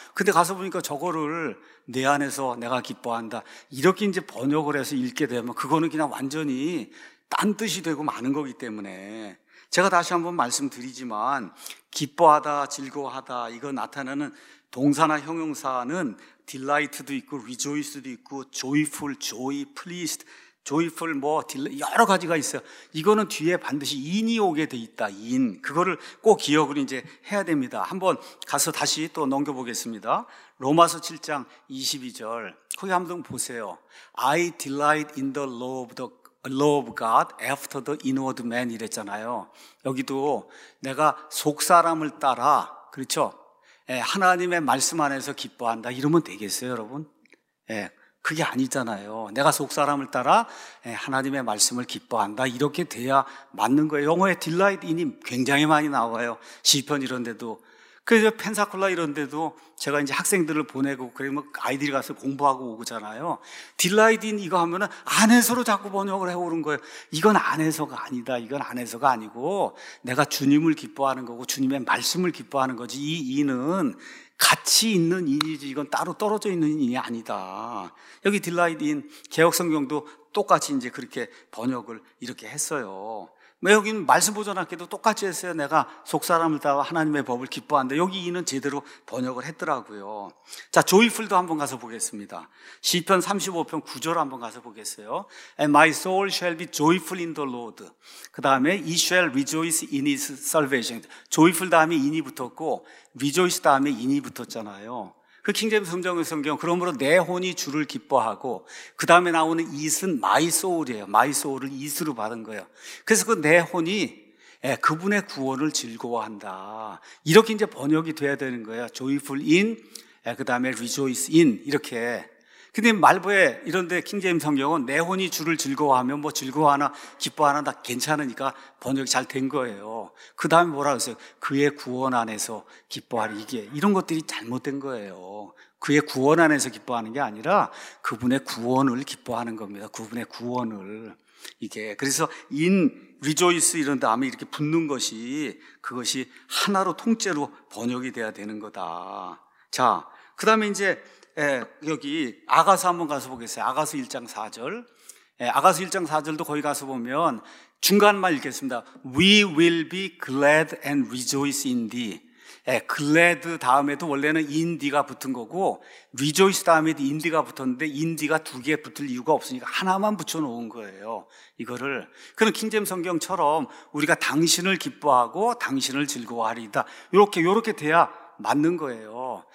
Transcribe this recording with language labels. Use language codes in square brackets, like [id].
[ko] 근데 가서 보니까 저거를 내 안에서 내가 기뻐한다 이렇게 이제 번역을 해서 읽게 되면 그거는 그냥 완전히 딴 뜻이 되고 마는 거기 때문에 제가 다시 한번 말씀드리지만 기뻐하다 즐거워하다 이거 나타나는 동사나 형용사는 delight도 있고 rejoice도 있고 joyful, joy, pleased, joyful 뭐 여러 가지가 있어요. 이거는 뒤에 반드시 in이 오게 돼 있다. in 그거를 꼭 기억을 이제 해야 됩니다. 한번 가서 다시 또 넘겨보겠습니다. 로마서 7장 22절 거기 한번 보세요. [en] I delight in the law of the law of God after the inward man [ko] 이랬잖아요. 여기도 내가 속사람을 따라 그렇죠? 하나님의 말씀 안에서 기뻐한다 이러면 되겠어요 여러분? 그게 아니잖아요. 내가 속사람을 따라 하나님의 말씀을 기뻐한다 이렇게 돼야 맞는 거예요. 영어에 [en] delight in him [ko] 굉장히 많이 나와요. 시편 이런 데도. 그래서 펜사콜라 이런 데도 제가 이제 학생들을 보내고 그러면 아이들이 가서 공부하고 오잖아요. delight in 이거 하면은 안에서로 자꾸 번역을 해오는 거예요. 이건 안에서가 아니다. 이건 안에서가 아니고 내가 주님을 기뻐하는 거고 주님의 말씀을 기뻐하는 거지. 이 in은 같이 있는 인이지 이건 따로 떨어져 있는 인이 아니다. 여기 delight in 개혁성경도 똑같이 이제 그렇게 번역을 이렇게 했어요. 여기는 말씀 보존학교도 똑같이 했어요. 내가 속사람을 따와 하나님의 법을 기뻐한다. 여기 이는 제대로 번역을 했더라고요. 자, 조이풀도 한번 가서 보겠습니다. 시편 35편 9절 한번 가서 보겠어요. [en] And my soul shall be joyful in the Lord. [ko] 그 다음에 [en] he shall rejoice in his salvation. [ko] 조이풀 다음에 in이 붙었고 rejoice 다음에 in이 붙었잖아요. 그 킹제임스 성경의 성경 그러므로 내 혼이 주를 기뻐하고 그 다음에 나오는 it은 my soul이에요. my soul을 it으로 받은 거예요. 그래서 그 내 혼이 그분의 구원을 즐거워한다 이렇게 이제 번역이 돼야 되는 거예요. [en] joyful in [ko] 그 다음에 [en] rejoice in [ko] 이렇게. 근데 말부에 이런데 킹제임 성경은 내 혼이 주를 즐거워하면 뭐 즐거워하나 기뻐하나 다 괜찮으니까 번역이 잘 된 거예요. 그 다음에 뭐라 그랬어요? 그의 구원 안에서 기뻐하리. 이게 이런 것들이 잘못된 거예요. 그의 구원 안에서 기뻐하는 게 아니라 그분의 구원을 기뻐하는 겁니다. 그분의 구원을. 이게 그래서 in, rejoice 이런 다음에 이렇게 붙는 것이 그것이 하나로 통째로 번역이 돼야 되는 거다. 자, 그 다음에 이제 여기 아가서 한번 가서 보겠어요. 아가서 1장 4절. 아가서 1장 4절도 거기 가서 보면 중간만 읽겠습니다. [en] We will be glad and rejoice in thee. [ko] glad 다음에도 원래는 in thee가 붙은 거고 rejoice 다음에도 in thee가 붙었는데 in thee가 두 개 붙을 이유가 없으니까 하나만 붙여놓은 거예요. 이거를 그런 킹제임 성경처럼 우리가 당신을 기뻐하고 당신을 즐거워하리다 이렇게 이렇게 돼야 맞는 거예요.